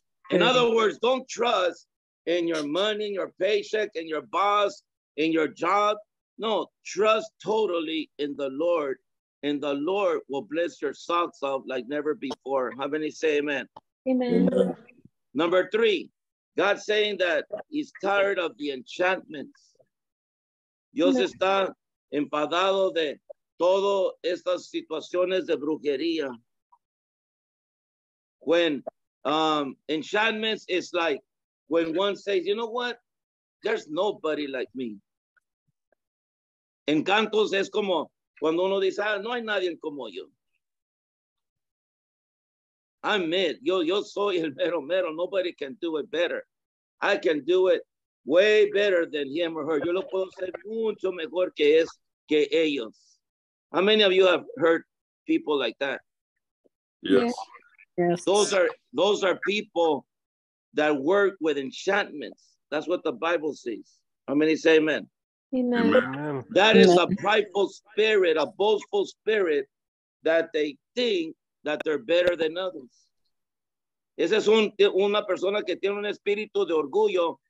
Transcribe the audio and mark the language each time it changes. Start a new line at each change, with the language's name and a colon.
English: In other words, don't trust in your money, your paycheck, and your boss, in your job. No, trust totally in the Lord. And the Lord will bless your socks off like never before. How many say amen? Amen. Number 3, God saying that he's tired of the enchantments.
Spanish: Dios está enfadado de todas estas situaciones de brujería.
English: When enchantments is like when one says, you know what? There's nobody like me.
Spanish: Encantos es como cuando uno dice, ah, no hay nadie como yo.
English: I'm it.
Spanish: Yo soy el mero mero.
English: Nobody can do it better. I can do it way better than him or her.
Spanish: Yo lo puedo hacer mucho mejor que es. Que ellos.
English: How many of you have heard people like that? Yes. Those are people that work with enchantments. That's what the Bible says. How many say amen? Amen. Amen. That amen. Is a prideful spirit, a boastful spirit that they think that they're better than others.
Spanish: Esa es una persona que tiene un espíritu de orgullo